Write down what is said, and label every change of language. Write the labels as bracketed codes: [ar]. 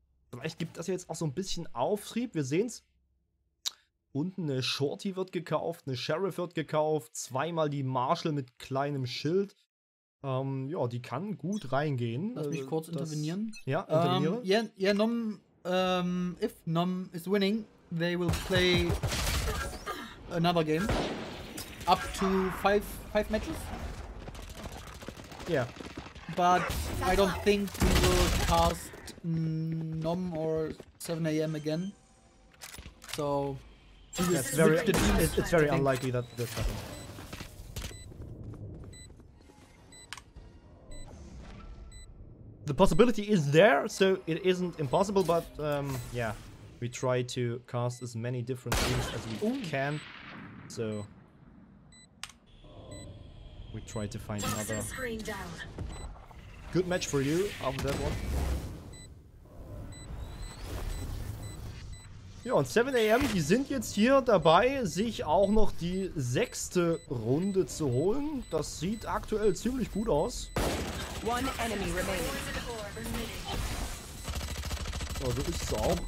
[de] Vielleicht gibt das jetzt auch so ein bisschen Auftrieb. Wir sehen es. Unten eine Shorty wird gekauft, eine Sheriff wird gekauft. 2x die Marshall mit kleinem Schild. Ja, die kann gut reingehen. Lass mich kurz intervenieren. Ja, interveniere. [en] Yeah, Nom, if Nom is winning, they will play another game. Up to 5 matches. Yeah. But I don't think we will cast Nom or 7AM again. So it's very unlikely that this happens. The possibility is there, so it isn't impossible, but yeah. We try to cast as many different things as we can. So we try to find another. Good match for you after that one. [de] Ja, und 7am, die sind jetzt hier dabei, sich auch noch die sechste Runde zu holen. Das sieht aktuell ziemlich gut aus. [en] One enemy remaining. [de] Ja, so ist es auch.